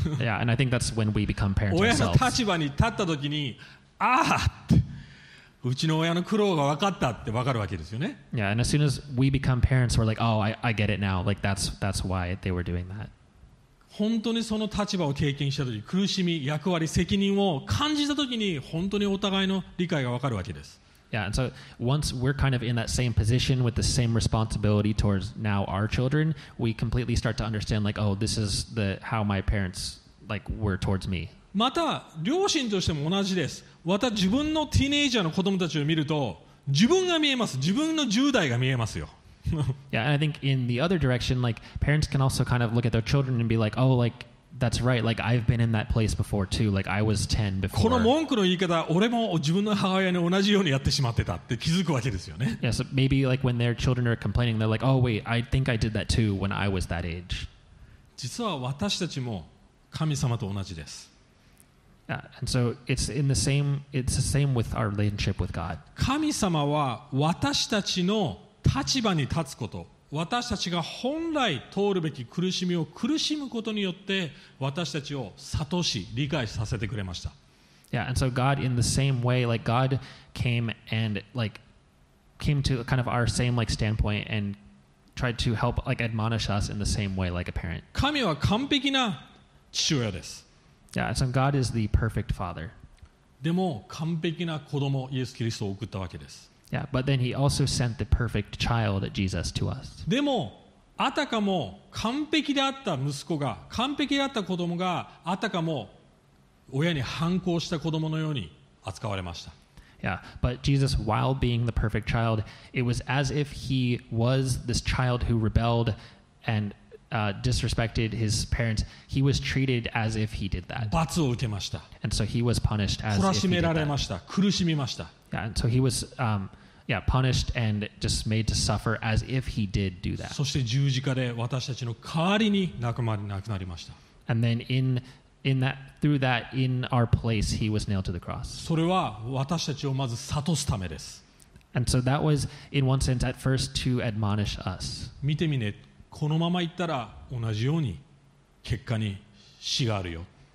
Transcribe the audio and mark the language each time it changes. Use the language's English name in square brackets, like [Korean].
[English] Yeah, and I think that's when we become parents ourselves. [Japanese] 親の立場に立った時に、ああ、うちの親の苦労が分かったって分かるわけですよね。 [English] Yeah, and as soon as we become parents, we're like, oh, I get it now. Like that's why they were doing that. [Japanese] 本当にその立場を経験した時、苦しみ、役割、責任を感じた時に、本当にお互いの理解が分かるわけです。 [English] Yeah, and so once we're kind of in that same position with the same responsibility towards now our children, we completely start to understand like, oh, this is the how my parents like, were towards me. [Japanese] また両親としても同じです。また自分のティーネイジャーの子供たちを見ると自分が見えます。自分の10代が見えますよ。 [English] Yeah, and I think in the other direction, like, parents can also kind of look at their children and be like, oh, like, that's right, like, I've been in that place before too, like, I was 10 before. [Japanese] この文句の言い方、俺も自分の母親に同じようにやってしまってたって気づくわけですよね。 [English] Yeah, so maybe like when their children are complaining, they're like, oh, wait, I think I did that too when I was that age. [Japanese] 実は私たちも神様と同じです。 [English] And so it's in the same, it's the same with our relationship with God. [Japanese] 神様は私たちの立場に立つこと、私たちが本来通るべき苦しみを苦しむことによって私たちを悟し、理解させてくれました。 [English] Yeah, and so God in the same way, like God came and like came to kind of our same like standpoint and tried to help like admonish us in the same way like a parent. [Japanese] 神は完璧な父親です。 [English] Yeah, and so God is the perfect father. [Japanese] でも完璧な子供イエス・キリストを送ったわけです。 [English] Yeah, but then he also sent the perfect child, Jesus, to us. [Japanese] でも、あたかも完璧であった息子が、完璧であった子供が、あたかも親に反抗した子供のように扱われました。 [English] Yeah, but Jesus, while being the perfect child, it was as if he was this child who rebelled and disrespected his parents. He was treated as if he did that. [Japanese] 罰を受けました。 [English] And so he was punished as if he did that. [Japanese] 懲らしめられました。苦しみました。 [English] Yeah, and so he was punished and just made to suffer as if he did do that. [Japanese] そして十字架で私たちの代わりに亡くなりました。 [English] And then in that, through that, in our place, he was nailed to the cross. [Japanese] それは私たちをまず悟すためです。 [English] And so that was, in one sense, at first to admonish us. [Japanese] 見てみね、このまま行ったら同じように結果に死があるよ。